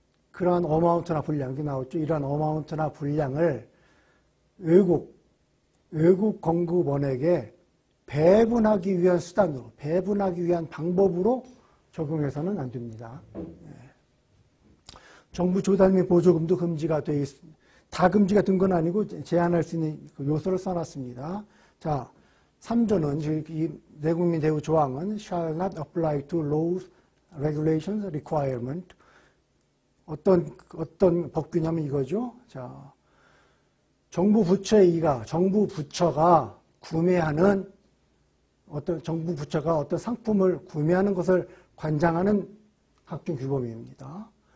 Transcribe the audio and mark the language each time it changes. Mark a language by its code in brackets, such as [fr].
[ko] 그러한 어마운트나 분량, 이게 나왔죠. 이러한 어마운트나 분량을 외국 공급원에게 배분하기 위한 수단으로, 배분하기 위한 방법으로 적용해서는 안 됩니다. 네. 정부 조달 및 보조금도 금지가 돼 있습니다. 다 금지가 된 건 아니고 제한할 수 있는 그 요소를 써놨습니다. 자, 3조는, 이 내국민 대우 조항은 [en] shall not apply to laws, regulations, requirement. [ko] 어떤 법규냐면 이거죠. 자, 정부 부처가 구매하는 어떤 정부 부처가 어떤 상품을 구매하는 것을 관장하는 각종 규범입니다.